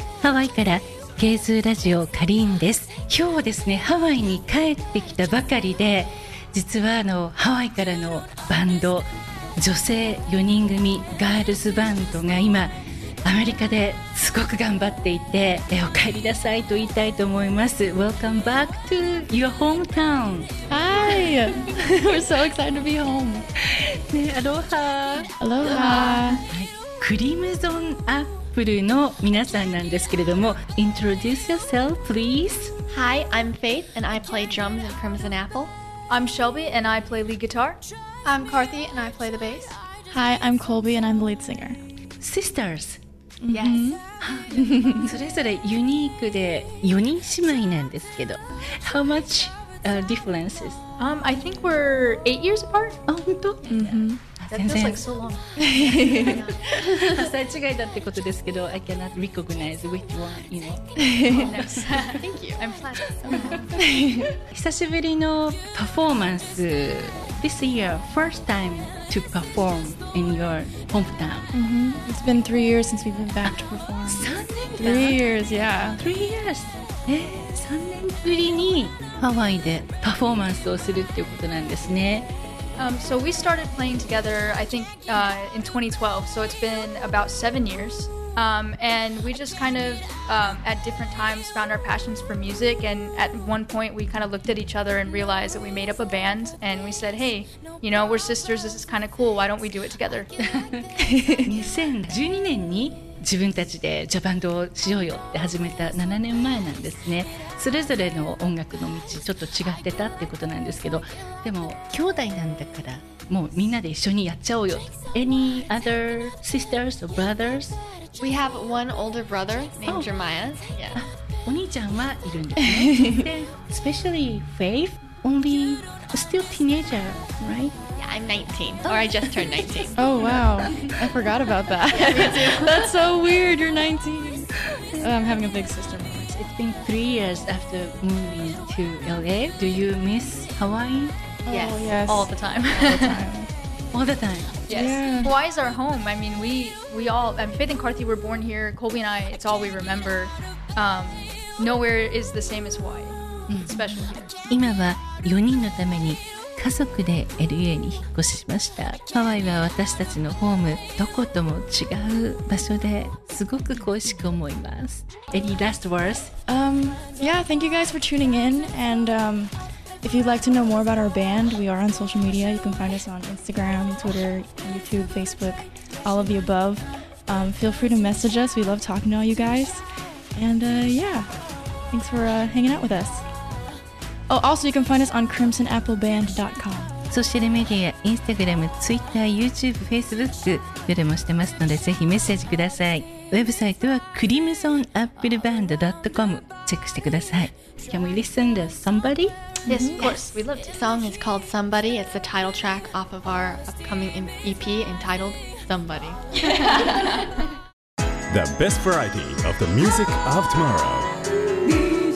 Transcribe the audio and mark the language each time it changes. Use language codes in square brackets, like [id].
[ja] ハワイからケイズーラジオカリーンです。今日はですねハワイに帰ってきたばかりで、実はハワイからのバンド、女性4人組ガールズバンドが今アメリカですごく頑張っていて、お帰りなさいと言いたいと思います。 [en] Welcome back to your hometown. Hi. We're so excited to be home. [ja] ね、アローハ。アローハ。クリムゾンアップルの皆さんなんですけれども、 [en] Introduce yourself please. Hi, I'm Faith and I play drums in Crimson Apple. I'm Shelby and I play lead guitar. I'm Karthi and I play the bass. Hi, I'm Colby and I'm the lead singer. Sisters. Yes. [ja] それぞれユニークで4人姉妹なんですけど、 [en] How much differences? I think we're 8 years apart. [ja] あ、本当？ [en] That feels like so long. That's a difference, that's what I'm saying. I cannot recognize which one, you know. Thank you. I'm flattered. [ja] 久しぶりのパフォーマンス。 [en] This year, first time to perform in your hometown. Mm-hmm. It's been 3 years since we've been back to perform. 3 years, yeah. 3 years. [ja] 3年ぶりにハワイでパフォーマンスをするっていうことなんですね。 [en] So we started playing together, I think, in 2012. So it's been about 7 years. And we just kind of, at different times, found our passions for music. And at one point, we kind of looked at each other and realized that we made up a band. And we said, hey, you know, we're sisters. This is kind of cool. Why don't we do it together? [ja] 2012年に自分たちでジャバンドをしようよって始めた7年前なんですね。それぞれの音楽の道ちょっと違ってたってことなんですけど、でも兄弟なんだからもうみんなで一緒にやっちゃおうよ。 [en] Any other sisters or brothers? We have one older brother named Jeremiah. [ja] お兄ちゃんはいるんですね。 [en] で、especially Faith, only still teenager, right? I'm 19, or I just turned 19. Oh, wow. I forgot about that. That's so weird. You're 19. I'm having a big sister moment. It's been 3 years after moving to LA. Do you miss Hawaii? Yes. Oh, yes. All the time. All the time. All the time. Yes. Yeah. Hawaii is our home. I mean, we all, I mean, Faith and Karthi were born here. Colby and I, it's all we remember. Nowhere is the same as Hawaii, especially here. [ja] 今は4人のために家族で LA に引っ越ししました。ハワイは私たちのホーム、どことも違う場所ですごく恋しく思います。 [en] Any last words? Yeah, thank you guys for tuning in. And if you'd like to know more about our band, we are on social media. You can find us on Instagram, Twitter, YouTube, Facebook, all of the above. Feel free to message us. We love talking to all you guys. And yeah, thanks for hanging out with us. Oh, also you can find us on crimsonappleband.com. [ja] ソーシャルメディア、インスタグラム、ツイッター、YouTube、Facebook、どれもしてますので、ぜひメッセージください。ウェブサイトは crimsonappleband.com。チェックしてください。 [en] Can we listen to Somebody? Yes, of course. We love it. The song is called Somebody. It's the title track off of our upcoming EP entitled Somebody. The best variety of the music of tomorrow.